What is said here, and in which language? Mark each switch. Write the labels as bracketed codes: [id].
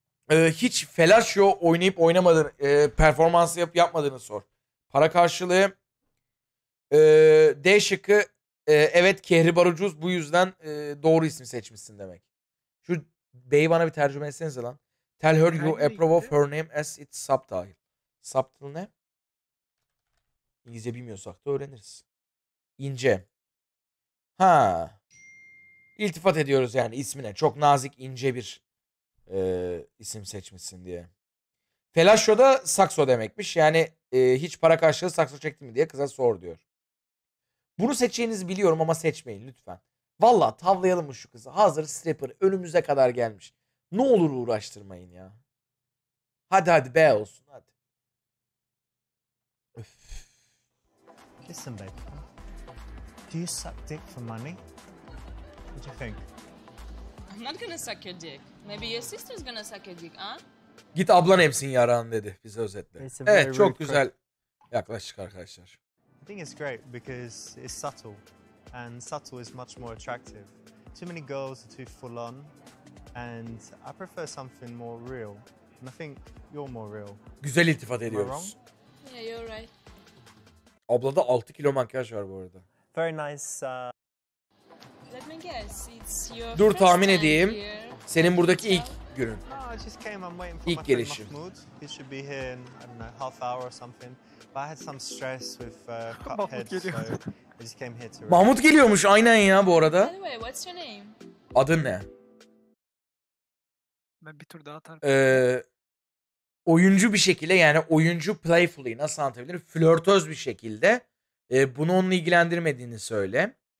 [tr] Hiç felaşyo oynayıp oynamadığını, performans yapmadığını sor. Para karşılığı. D şıkkı, evet kehribar ucuz, bu yüzden doğru ismi seçmişsin demek. Şu B'yi bana bir tercüme etsenize lan. [en] Tell her you approve of her name as it's subtitle. [tr] Subtitle ne? İngilizce bilmiyorsak da öğreniriz. İnce. Ha. İltifat ediyoruz yani ismine. Çok nazik, ince bir isim seçmişsin diye. Felaşo da sakso demekmiş. Yani hiç para karşılığı sakso çektin mi diye kıza sor diyor. Bunu seçeceğinizi biliyorum ama seçmeyin lütfen. Valla tavlayalım mı şu kızı? Hazır stripper önümüze kadar gelmiş. Ne olur uğraştırmayın ya. Hadi B olsun hadi. [en] Listen baby. Do you suck dick for money? What do you think? I'm not gonna suck your dick. Maybe your sister's gonna suck your dick, huh? [tr] Git ablan emsin yaran dedi bize özetle. Evet çok güzel yaklaştık arkadaşlar. [en] I think it's great because it's subtle and subtle is much more attractive. Too many girls are too full on and I prefer something more real. And I think you're more real. [tr] Güzel iltifat ediyoruz. [en] Yeah, you're right. [tr] Ablada 6 kilo makyaj var bu arada. [en] Very nice. Let me guess. It's your [tr] Dur tahmin edeyim. Senin buradaki ilk günün. İlk gelişim. [en] He should be here in, I don't know, half hour or something. But I had some stress with Cuphead, so I just came here to relax. [tr] Mahmut geliyormuş aynen ya bu arada. [en] Anyway, what's your name? [tr] Adın ne? Ben bir tur daha atarım. Oyuncu bir şekilde yani oyuncu playfully nasıl anlatabilirim? Flörtöz bir şekilde bunu onunla ilgilendirmediğini söyle.